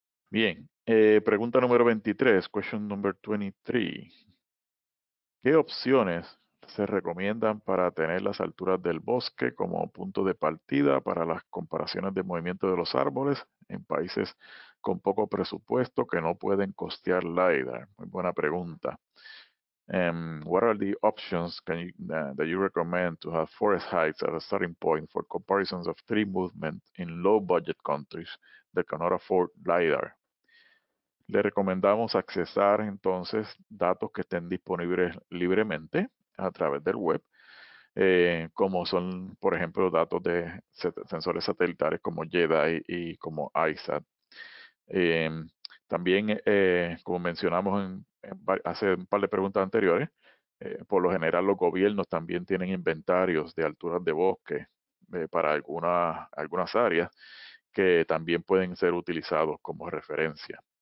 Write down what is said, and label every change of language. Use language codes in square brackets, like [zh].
[es] Bien, pregunta número 23, [en] question number 23. [es] ¿Qué opciones se recomiendan para tener las alturas del bosque como punto de partida para las comparaciones de movimiento de los árboles en países con poco presupuesto que no pueden costear LIDAR? Muy buena pregunta. [en] What are the options that you recommend to have forest heights as a starting point for comparisons of tree movement in low-budget countries that cannot afford LIDAR? [es] Le recomendamos accesar entonces datos que estén disponibles libremente a través del web, como son, por ejemplo, datos de sensores satelitales como JEDI y como ISAT. También, como mencionamos hace un par de preguntas anteriores, por lo general los gobiernos también tienen inventarios de alturas de bosque para algunas áreas que también pueden ser utilizados como referencia.